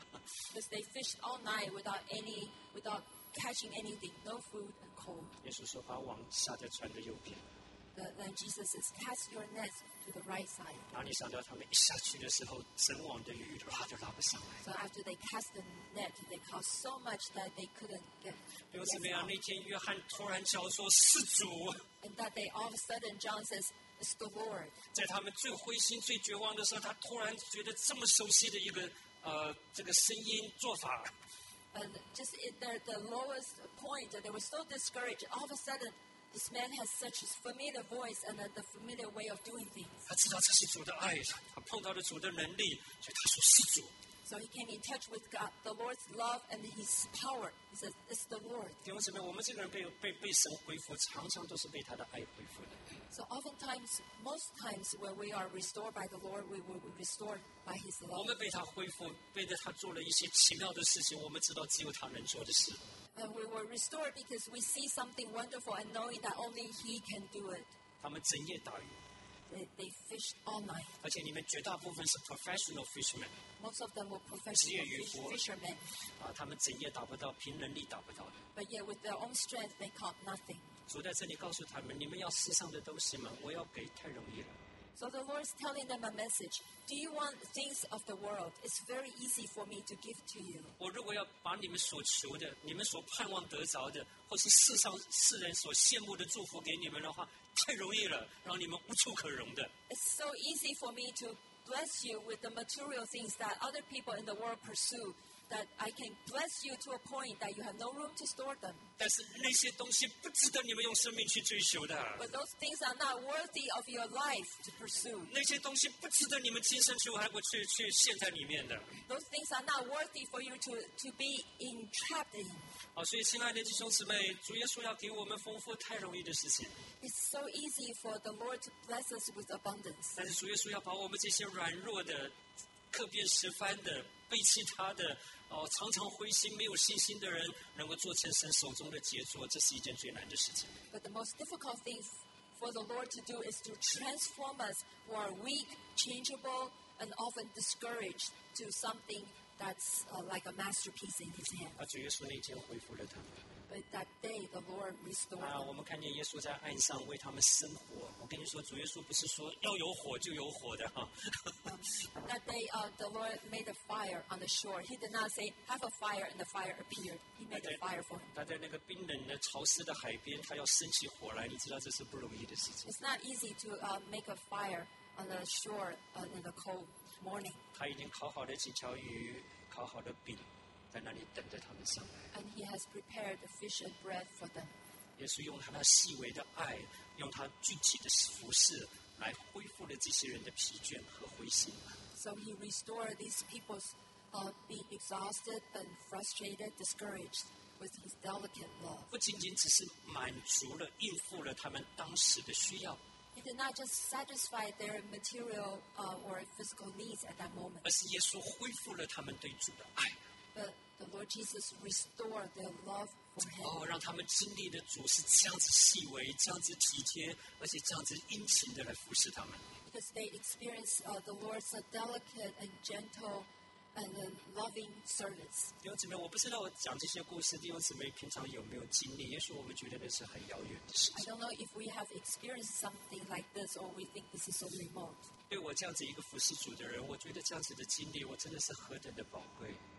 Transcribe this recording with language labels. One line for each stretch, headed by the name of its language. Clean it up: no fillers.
English: Because they fished all night without any without catching anything, no food and cold.
Chinese: 耶稣说：“把网下在船的右边。”
English: Then Jesus says, "Cast your nets to the right side."
Chinese: 哪里想到他们一下去的时候，整网的鱼拉都拉不上来。
English: So after they cast the net, they caught so much that they couldn't get.
Chinese: 又怎么样？那天约翰突然叫说：“是主。”
English: And that day, all of a sudden, John says, "It's the Lord."
Chinese: 在他们最灰心、最绝望的时候，他突然觉得这么熟悉的一个这个声音做法。
English: And just at the lowest point, they were so discouraged. All of a sudden, this man has such a familiar voice and the familiar way of doing things.
Chinese: 他知道这是主的爱，他碰到了主的能力，所以他说是主。
English: So he came in touch with God, the Lord's love and His power. He says, "It's the Lord."
Chinese: 弟兄姊妹，我们这个人被神恢复，常常都是被他的爱恢复的。
English: So oftentimes, most times when we are restored by the Lord, we will be restored by His love.
Chinese: 我们被他恢复，被着他做了一些奇妙的事情，我们知道只有他能做的事。
English: And we were restored because we see something wonderful and knowing that only He can do it.
Chinese: 他们整夜打鱼。
English: They fished all night.
Chinese: 而且里面绝大部分是 professional fishermen.
English: Most of them were professional fishermen.
Chinese: 啊，他们整夜打不到，凭能力打不到的。
English: But yet, with their own strength, they caught nothing.
Chinese: 主在这里告诉他们：“你们要世上的东西吗？我要给，太容易了。”
English: So the Lord is telling them a message. Do you want things of the world? It's very easy for me to give to you.
Chinese: 我如果要把你们所求的、你们所盼望得着的，或是世上世人所羡慕的祝福给你们的话，太容易了，让你们无处可容的。
English: It's so easy for me to bless you with the material things that other people in the world pursue. That I can bless you to a point that you have no room to store them.
Chinese: 但是那些东西不值得你们用生命去追求的。
English: But those things are not worthy of your life to pursue.
Chinese: 那些东西不值得你们今生去还不去陷在里面的。
English: Those things are not worthy for you to be entrapped in.
Chinese: 好，所以亲爱的弟兄姊妹，主耶稣要给我们丰富，太容易的事情。
English: It's so easy for the Lord to bless us with abundance.
Chinese: 但是主耶稣要把我们这些软弱的、客变十番的。背弃他的、哦、常常灰心没有信心的人能够做成神手中的杰作，这是一件最难的事情。
English: But the most difficult thing for the Lord to do is to transform us who are weak, changeable and often discouraged to something that's like a masterpiece in His hand.
Chinese: 主耶稣那天恢复了他们。
English: But that day the Lord restored them.
Chinese: 我们看见耶稣在岸上为他们生火。我跟你说，主耶稣不是说要有火就有火的哈。
English: That day, the Lord made a fire on the shore. He did not say, "Have a fire," and the fire appeared. He made a fire for him.
Chinese: 他在那个冰冷的、潮湿的海边，他要生起火来，你知道这是不容易的事情。
English: It's not easy to make a fire on the shore in the cold morning.
Chinese: 他已经烤好了几条鱼，烤好了饼，在那里等着他们上来。
English: And he has prepared the fish and bread for them.
Chinese: 耶稣用他那细微的爱，用他具体的服事。来恢复了这些人的疲倦和灰心。
English: So he restored these people's be exhausted and frustrated, discouraged with his delicate love.
Chinese: 不仅仅只是满足了、应付了他们当时的需要。
English: He did not just satisfy their material or physical needs at that moment.
Chinese: 而是耶稣恢复了他们对主的爱。
English: But the Lord Jesus restored their love for him.
Chinese: 哦，让他们经历的主是这样子细微、这样子体贴，而且这样子殷勤的来服侍他们。
English: Because they experienced the Lord's delicate and gentle and loving service.
Chinese: 弟兄姊妹，我不知道我讲这些故事，弟兄姊妹平常有没有经历？也许我们觉得那是很遥远的事情。
English: I don't know if we have experienced something like this, or we think this is so remote.
Chinese: 对我这样子一个服侍主的人，我觉得这样子的经历，我真的是何等的宝贵。